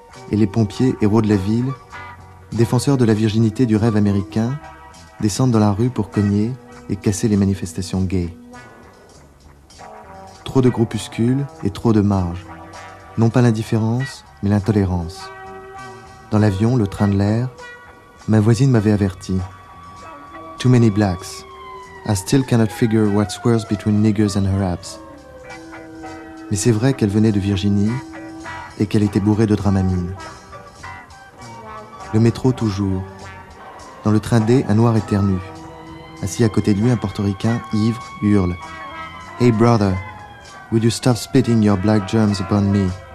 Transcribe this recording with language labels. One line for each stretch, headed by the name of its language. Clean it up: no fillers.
French: et les pompiers, héros de la ville, défenseurs de la virginité du rêve américain, descendent dans la rue pour cogner et casser les manifestations gays. Trop de groupuscules et trop de marge. Non pas l'indifférence, mais l'intolérance. Dans l'avion, le train de l'air, ma voisine m'avait averti.
English: Too many blacks. I still cannot figure what's worse between niggers and Arabs.
French: Mais c'est vrai qu'elle venait de Virginie et qu'elle était bourrée de dramamine. Le métro toujours. Dans le train D, un noir éternue. Assis à côté de lui, un portoricain, ivre, hurle.
English: Hey brother, would you stop spitting your black germs upon me?